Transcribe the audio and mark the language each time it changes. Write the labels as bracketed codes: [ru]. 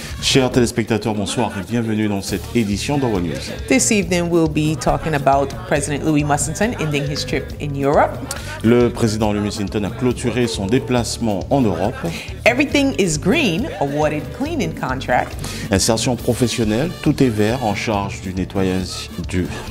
[fr] Chers téléspectateurs, bonsoir et bienvenue dans cette édition d'Our News. [en] This evening, we'll be talking about President Louis Mussington ending his trip in Europe. [fr] Le président Louis Mussington a clôturé son déplacement en Europe. [en] Everything is green, awarded cleaning contract. [fr] Insertion professionnelle, tout est vert, en charge du nettoyage du...